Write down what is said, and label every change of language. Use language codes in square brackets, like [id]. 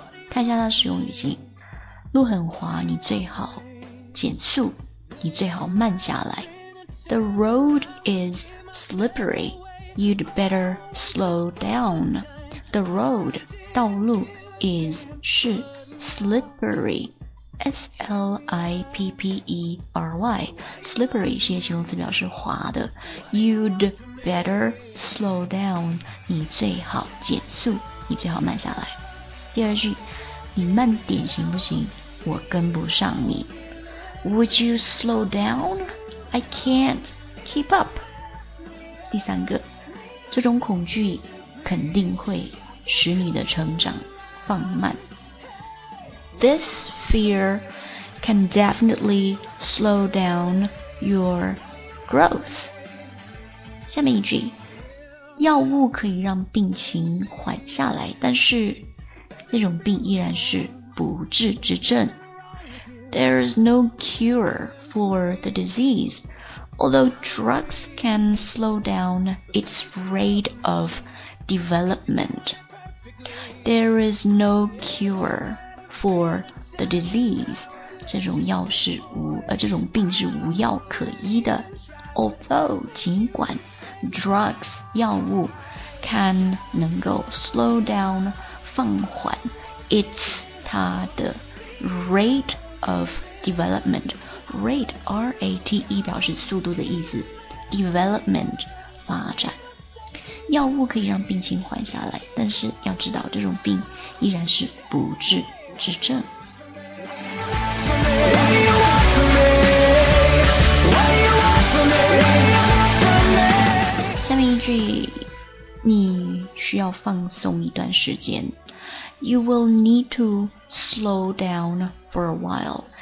[zh] 看一下它使用语境，路很滑，你最好减速，你最好慢下来。 [en] The road is slippery, you'd better slow down. The road, [zh] 道路 [en] is, [zh] 是 [en] slippery,S-L-I-P-P-E-R-Y Slippery [zh] 是一个形容词，表示滑的。 [en] You'd better slow down [zh] 你最好减速，你最好慢下来。第二句，你慢点行不行，我跟不上你。 [en] Would you slow down? I can't keep up. [zh] 第三个，这种恐惧肯定会使你的成长放慢。 [en] This fear can definitely slow down your growth. [zh] 下面一句，药物可以让病情缓下来，但是那种病依然是不治之症。 [en] There is no cure for the disease, although drugs can slow down its rate of development. There is no cure. For the disease, [zh] 这种药是无这种病是无药可医的。 [en] Although, [zh] 尽管 [en] drugs, [zh] 药物 [en] can [zh] 能够 [en] slow down, [zh] 放缓 [en] its [zh] 它的 [en] rate of development. [zh] Rate, R-A-T-E 表示速度的意思。Development, 发展。药物可以让病情缓下来，但是要知道这种病依然是不治。指正。下面一句，你需要放松一段时间。 [en] You will need to slow down for a while.